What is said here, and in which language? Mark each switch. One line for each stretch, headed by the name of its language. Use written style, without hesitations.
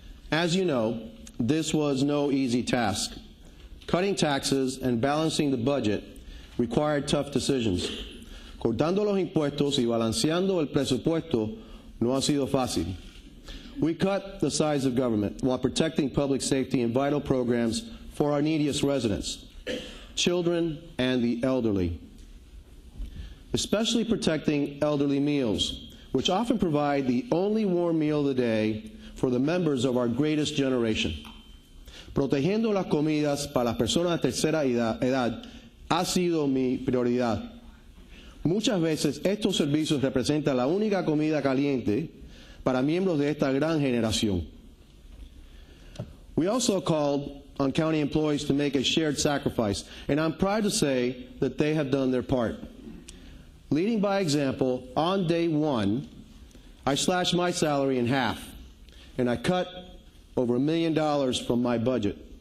English: As you know, this was no easy task. Cutting taxes and balancing the budget required tough decisions.
Spanish: Cortando los impuestos y balanceando el presupuesto no ha sido fácil.
English: We cut the size of government while protecting public safety and vital programs for our neediest residents, children and the elderly. Especially protecting elderly meals, which often provide the only warm meal of the day for the members of our greatest generation.
Spanish: Protegiendo las comidas para las personas de tercera edad ha sido mi prioridad. Muchas veces estos servicios representan la única comida caliente para miembros de esta gran generación.
English: We also called on county employees to make a shared sacrifice, and I'm proud to say that they have done their part. leading by example, on day one, I slashed my salary in half, and I cut over $1 million from my budget.